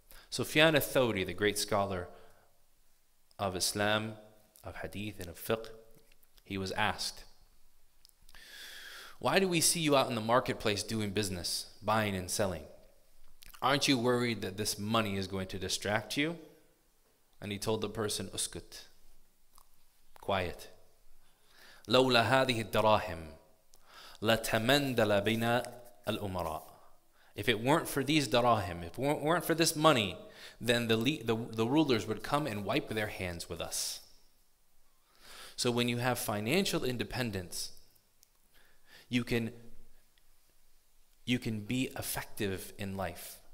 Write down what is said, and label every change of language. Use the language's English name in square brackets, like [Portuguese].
[English] Sufyan al-Thawri, the great scholar of Islam, of hadith, and of fiqh, he was asked, why do we see you out in the marketplace doing business, buying and selling? Aren't you worried that this money is going to distract you? And he told the person, uskut, quiet. [Arabic] لولا هذه الدراهم لتمندل بنا الأمراء. [English] If it weren't for these darahim, if it weren't for this money, then the rulers would come and wipe their hands with us. So when you have financial independence, you can be effective in life.